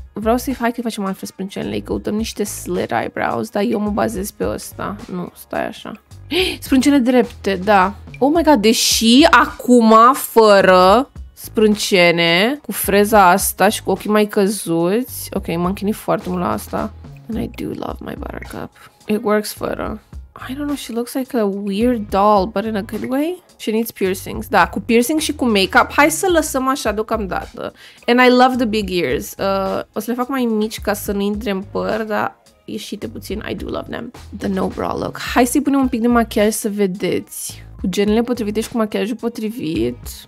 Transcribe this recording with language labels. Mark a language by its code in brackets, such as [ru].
[ro] Vreau să-i fac, că facem mai frumos sprâncenele, căutăm niște slit eyebrows, dar eu mă bazez pe ăsta. Nu, stai așa. Sprâncene drepte, da. [en] Oh my god, [ro] deși acum fără sprâncene, cu freza asta și cu ochii mai căzuți. Ok, m-am chinit foarte mult la asta. [en] And I do love my buttercup. It works fără. I don't know, she looks like a weird doll, but in a good way. She needs piercings. [ro] Da, cu piercings și cu makeup. Hai să lăsăm așa deocamdată. [en] And I love the big ears. [ro] O să le fac mai mici ca să nu intre în păr, dar ieșite puțin. [en] I do love them. The no bra look. [ro] Hai să-i punem un pic de machiaj să vedeți. Cu genele potrivite și cu machiajul potrivit.